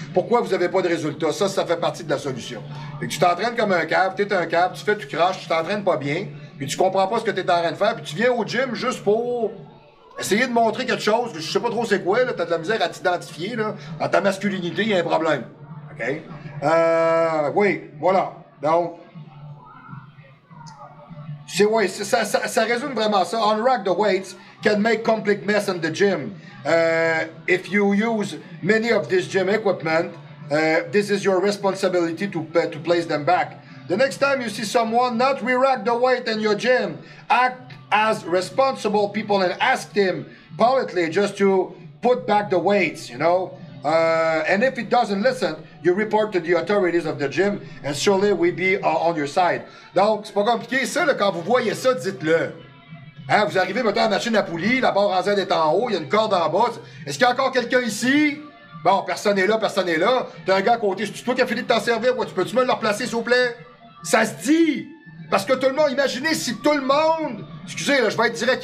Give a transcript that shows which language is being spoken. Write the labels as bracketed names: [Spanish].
[French] Pourquoi vous avez pas de résultat? Ça, ça fait partie de la solution. Fait que tu t'entraînes comme un cave, t'es un cave, tu fais tout crash, tu t'entraînes pas bien, puis tu comprends pas ce que t'es en train de faire, puis tu viens au gym juste pour essayer de montrer quelque chose, je sais pas trop c'est quoi, là, t'as de la misère à t'identifier, là, à ta masculinité, il y a un problème. OK? Oui, voilà. Donc, c'est, ouais, c'est, ça, ça, ça résume vraiment ça. [English] Unrack the weights can make complete mess in the gym. If you use many of this gym equipment, this is your responsibility to place them back. The next time you see someone not re-rack the weight in your gym, act as responsible people and ask them politely just to put back the weights, you know. And if it doesn't listen, you report to the authorities of the gym and surely we'll be on your side. [French] Donc, c'est pas compliqué. Ça, là, quand vous voyez ça, dites-le. Hein, vous arrivez, mettons, à la machine à poulie, la barre en Z est en haut, il y a une corde en bas. Est-ce qu'il y a encore quelqu'un ici? Bon, personne n'est là, personne n'est là. T'as un gars à côté, c'est toi qui as fini de t'en servir. Ouais, tu peux-tu me le replacer, s'il vous plaît? Ça se dit! Parce que tout le monde, imaginez si tout le monde... Excusez, là, je vais être direct.